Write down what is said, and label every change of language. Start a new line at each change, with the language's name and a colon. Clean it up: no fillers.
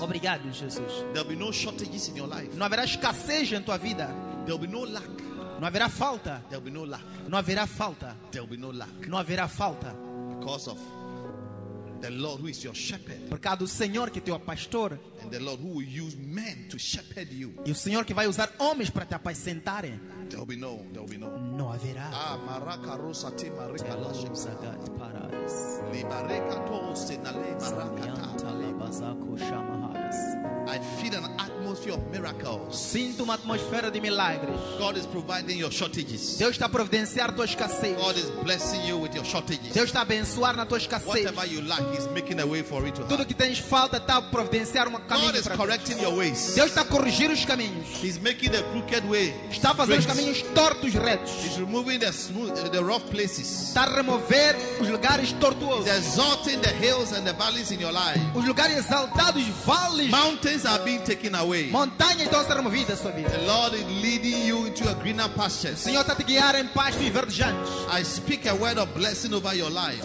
Portuguese: Obrigado, Jesus.
English: There'll be no shortages in your life.
Portuguese: Não haverá escassez em tua vida.
English: There'll be no lack.
Portuguese: Não haverá falta.
English: There'll be no lack.
Portuguese: Não haverá falta.
English: There'll be no lack.
Portuguese: Não haverá falta.
English: Because of The Lord who is your shepherd.
Portuguese: Por causa do Senhor que é teu pastor.
English: And the Lord who will use men to shepherd you.
Portuguese: E o Senhor que vai usar homens para te apacentar.
English: There will be no.
Portuguese: Não haverá. Ah, maraca rosa ti marica la shepherd paradis. Libareka to senale maraca libasako shamaharis.
English: I feel an atmosphere of miracles.
Portuguese: Sinto uma atmosfera de milagres.
English: God is providing your shortages.
Portuguese: Deus está providenciar tua escassez.
English: God is blessing you with your shortages.
Portuguese: Deus está abençoar na tua escassez.
English: Whatever you lack, He's making a way for it to happen.
Portuguese: Tudo que tens falta está providenciar um caminho para ti.
English: God is correcting your ways.
Portuguese: Deus está corrigir os caminhos.
English: He's making the crooked way.
Portuguese: Está fazendo os caminhos tortos retos.
English: He's removing the rough places.
Portuguese: Está remover os lugares tortuosos.
English: He's exalting the hills and the valleys in your life.
Portuguese: Os lugares exaltados, vales.
English: Mountains are being taken away.
Portuguese: Montanhas estão sendo removidas da sua vida.
English: The Lord is leading you into a greener pastures.
Portuguese: O Senhor está te guiando em pastos verdejantes.
English: I speak a word of blessing over your life.